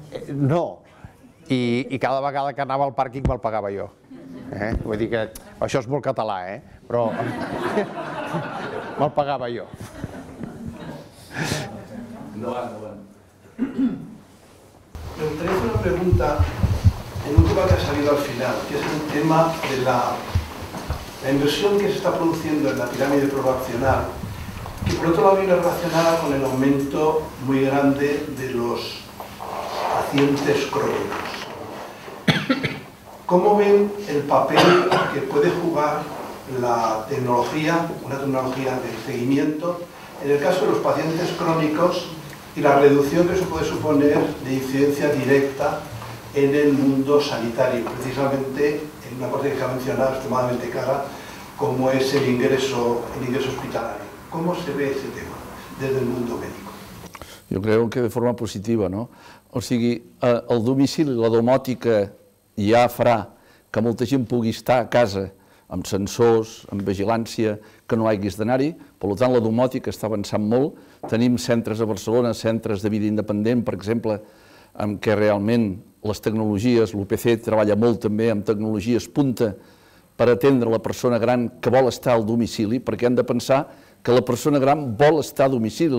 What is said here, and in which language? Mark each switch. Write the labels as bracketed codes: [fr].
[ca] No, i cada vegada que anava al pàrquing me'l pagava jo. Vull dir que això és molt català, però me'l pagava jo. Endavant. [es] Me gustaría hacer una pregunta en un tema que ha salido al final, que es el tema de la inversión que se está produciendo en la pirámide proporcional, que por otro lado viene relacionada con el aumento muy grande de los pacientes crónicos. ¿Cómo ven el papel que puede jugar la tecnología, una tecnología de seguimiento, en el caso de los pacientes crónicos y la reducción que eso puede suponer de incidencia directa en el mundo sanitario, precisamente en una parte que se ha mencionado extremadamente cara, como es el ingreso hospitalario? ¿Cómo se ve ese tema desde el mundo médico? Yo creo que de forma positiva, ¿no? [ca] O sigui, el domicili, la domòtica, ja farà que molta gent pugui estar a casa amb sensors, amb vigilància, que no haguis d'anar-hi. Per tant, la domòtica està avançant molt. Tenim centres a Barcelona, centres de vida independent, per exemple, en què realment les tecnologies, l'UPC treballa molt també amb tecnologies punta per atendre la persona gran que vol estar al domicili, perquè hem de pensar que la persona gran vol estar a domicili.